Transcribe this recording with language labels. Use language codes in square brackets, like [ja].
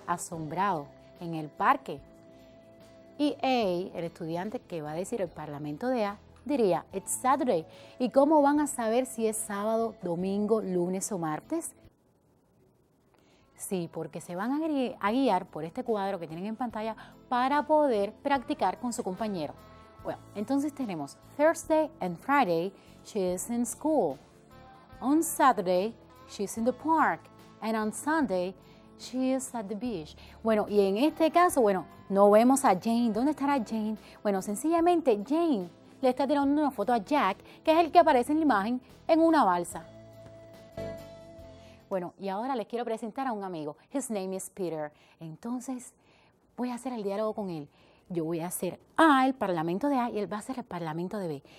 [es] Asombrado, en el parque. Y A, el estudiante que va a decir el parlamento de A, diría, [en] it's Saturday. [es] ¿Y cómo van a saber si es sábado, domingo, lunes o martes? Sí, porque se van a guiar por este cuadro que tienen en pantalla para poder practicar con su compañero. Bueno, entonces tenemos [en] Thursday and Friday, she is in school. On Saturday, she's in the park. And on Sunday, she is at the beach. [es] Bueno, y en este caso, bueno, no vemos a Jane. ¿Dónde estará Jane? Bueno, sencillamente Jane le está tirando una foto a Jack, que es el que aparece en la imagen en una balsa. Bueno, y ahora les quiero presentar a un amigo. [en] His name is Peter. [es] Entonces, voy a hacer el diálogo con él. Yo voy a hacer A, el parlamento de A, y él va a hacer el parlamento de B.